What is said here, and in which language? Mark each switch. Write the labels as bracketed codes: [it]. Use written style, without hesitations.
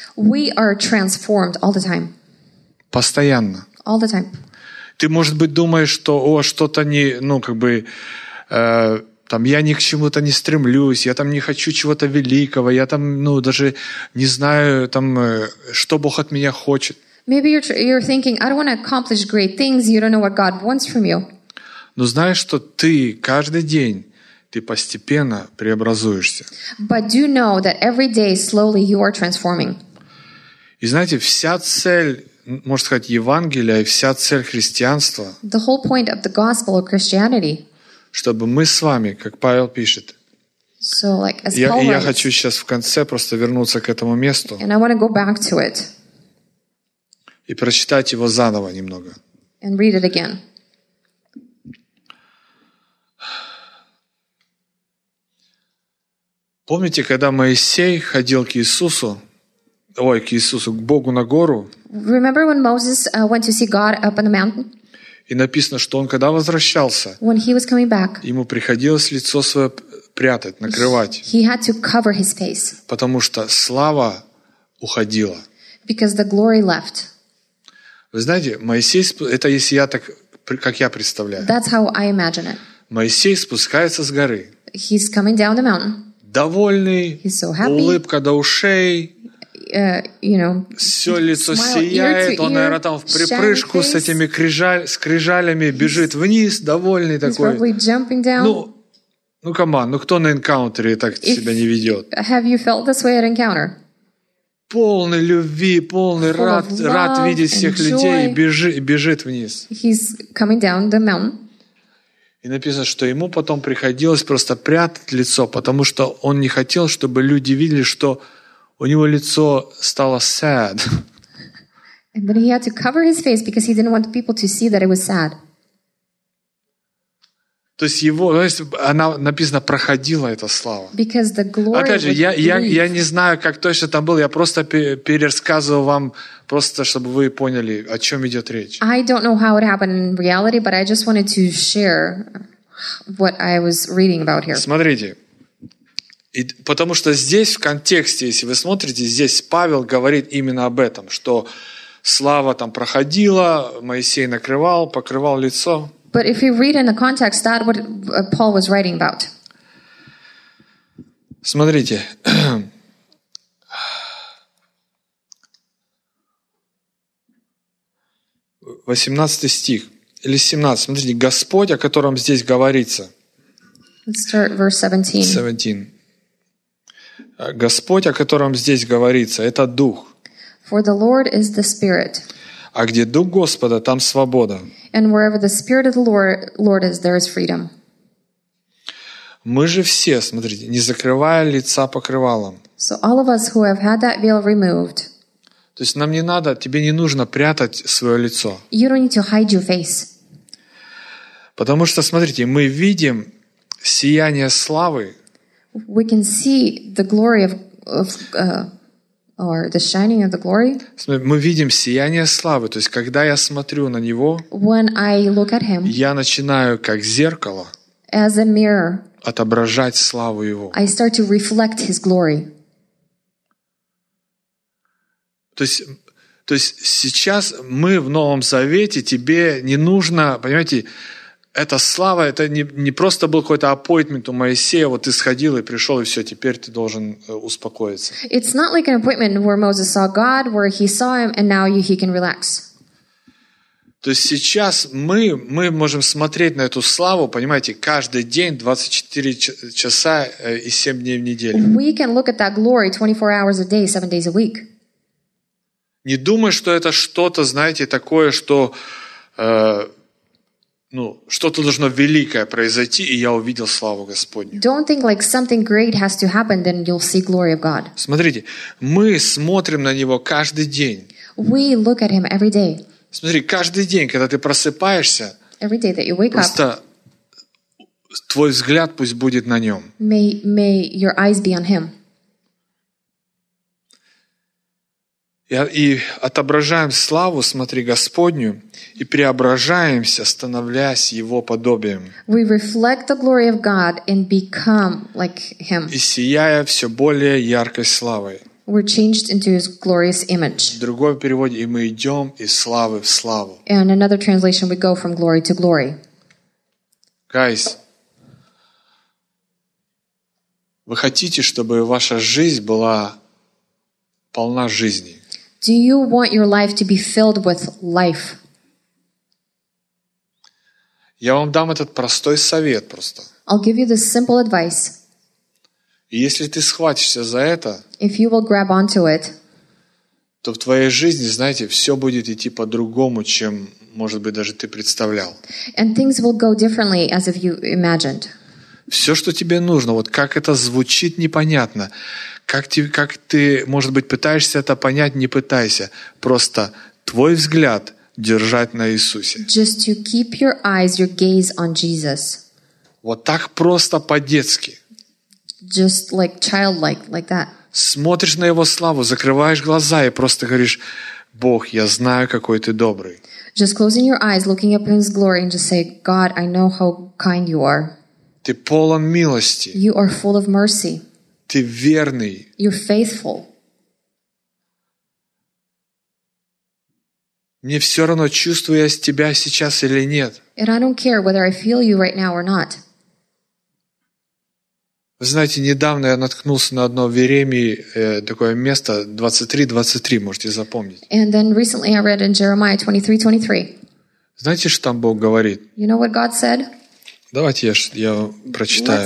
[en] We are transformed all the time. [ru] Постоянно. [en] All the time. [ru] Ты, может быть, думаешь, что о, что-то не, ну, как бы, там, я ни к чему-то не стремлюсь, я там не хочу чего-то великого, я там, ну, даже не знаю, там, что Бог от меня хочет. [en] Maybe you're thinking, I don't want to accomplish great things, you don't know what God wants from you. [ru] Но знаешь, что ты каждый день ты постепенно преобразуешься. [en] But do know that every day slowly you are transforming. [ru] И знаете, вся цель, можно сказать, Евангелия и вся цель христианства, [en] the whole point of the gospel of Christianity, [ru] чтобы мы с вами, как Павел пишет, [en] so like, as [ru] я, [en] Paul [ru] я хочу сейчас в конце просто вернуться к этому месту [en] and I want to go back to it, [ru] и прочитать его заново немного. [en] And read it again. [ru] Помните, когда Моисей ходил к Иисусу, ой, к Иисусу, к Богу на гору? [en] Remember when Moses went to see God up on the mountain? [ru] И написано, что он когда возвращался, [en] when he was coming back, [ru] ему приходилось лицо свое прятать, накрывать. [en] He had to cover his face. [ru] Потому что слава уходила. [en] Because the glory left. [ru] Вы знаете, Моисей, это если я так, как я представляю. [en] That's how I imagine it. [ru] Моисей спускается с горы. [en] He's coming down the mountain. [ru] Довольный, [en] he's so happy. [ru] Улыбка до ушей, [en] you know, [ru] все лицо сияет, он, наверное, там в припрыжку с этими скрижалями бежит вниз, довольный [en] he's [ru] такой. [en] Probably jumping down. [ru] Ну, [en] come on, [ru] ну кто на энкаунтере так if, себя не ведет? [en] Have you felt this way at encounter? [ru] Полный любви, полный [en] full [ru] рад, [en] love, [ru] рад видеть всех [en] joy. [ru] Людей, бежит вниз. [en] He's coming down the mountain. [ru] И написано, что ему потом приходилось просто прятать лицо, потому что он не хотел, чтобы люди видели, что у него лицо стало [en] sad. And then he had to cover his face because he didn't want people to see that it was sad. [ru] То есть его, то есть она написано проходила эта слава. [en] Because the glory. [ru] Опять же, я не знаю, как точно там было. Я просто пересказываю вам просто, чтобы вы поняли, о чем идет речь. [en] I don't know how it happened in reality, but I just wanted to share what I was reading about here. [ru] Смотрите, и, потому что здесь в контексте, если вы смотрите, здесь Павел говорит именно об этом, что слава там проходила, Моисей накрывал, покрывал лицо. [en] But if you read in the context, that what Paul was writing about. [ru] Смотрите. Восемнадцатый стих. Или 17. Смотрите, Господь, о котором здесь говорится. [en] Let's start verse 17. [ru] Господь, о котором здесь говорится, это Дух. [en] For the Lord is the Spirit. [ru] А где Дух Господа, там свобода. [en] And wherever the Spirit of the Lord is, there is freedom. [ru] Мы же все, смотрите, не закрывая лица покрывалом. [en] So all of us who have had that veil removed. [ru] То есть нам не надо, тебе не нужно прятать свое лицо. [en] You don't need to hide your face. [ru] Потому что, смотрите, мы видим сияние славы. [en] We can see the glory or the shining of the glory. [ru] Мы видим сияние славы. То есть, когда я смотрю на него, [en] when I look at him, [ru] я начинаю как зеркало [en] as a mirror, [ru] отображать славу его. [en] I start to reflect his glory. [ru] То есть сейчас мы в Новом Завете, тебе не нужно, понимаете, эта слава, это не просто был какой-то appointment у Моисея, вот ты сходил и пришел, и все, теперь ты должен успокоиться. [en] It's not like an appointment where Moses saw God, where he saw him, and now he can relax. [ru] То есть сейчас мы можем смотреть на эту славу, понимаете, каждый день, 24 часа и 7 дней в неделю. [en] We can look at that glory 24 hours a day, 7 days a week. [ru] Не думай, что это что-то, знаете, такое, что ну, что-то должно великое произойти, и я увидел славу Господню. [en] Don't think like something great has to happen, then you'll see glory of God. [ru] Смотрите, мы смотрим на него каждый день. [en] We look at him every day. [ru] Смотри, каждый день, когда ты просыпаешься, [en] every day that you wake [ru] просто [en] up, [ru] твой взгляд пусть будет на нем. [en] May your eyes be on him. [ru] И отображаем славу, смотри, Господню, и преображаемся, становляясь Его подобием. [en] We reflect the glory of God and become like Him. [ru] И сияя все более яркой славой. [en] We're changed into His glorious image. [ru] В другом переводе, и мы идем из славы в славу. [en] In another translation, we go from glory to glory. Guys, [ru] вы хотите, чтобы ваша жизнь была полна жизни? [en] Do you want your life to be filled with life? [ru] Я вам дам этот простой совет просто. [en] I'll give you this simple advice. [ru] И если ты схватишься за это, [en] if you will grab onto it, [ru] то в твоей жизни, знаете, все будет идти по-другому, чем, может быть, даже ты представлял. [en] And things will go differently as if you imagined. [ru] Все, что тебе нужно, вот как это звучит, непонятно. Как ты, может быть, пытаешься это понять, не пытайся. Просто твой взгляд держать на Иисусе. [en] Just to keep your eyes, your gaze on Jesus. [ru] Вот так просто по-детски. [en] Just like childlike, like that. [ru] Смотришь на Его славу, закрываешь глаза и просто говоришь, Бог, я знаю, какой ты добрый. [en] Just closing your eyes, looking up in His glory and just say, God, I know how kind you are. [ru] Ты полон милости. [en] You are full of mercy. [ru] Ты верный. [en] You're faithful. [ru] Мне все равно, чувствую я тебя сейчас или нет. [en] And I don't care whether I feel you right now or not. [ru] Вы знаете, недавно я наткнулся на одно в Иеремии такое место 23:23, можете запомнить. [en] And then recently I read in Jeremiah 23:23. [ru] Знаете, что там Бог говорит? [en] You know what God said? [ru] Давайте я прочитаю.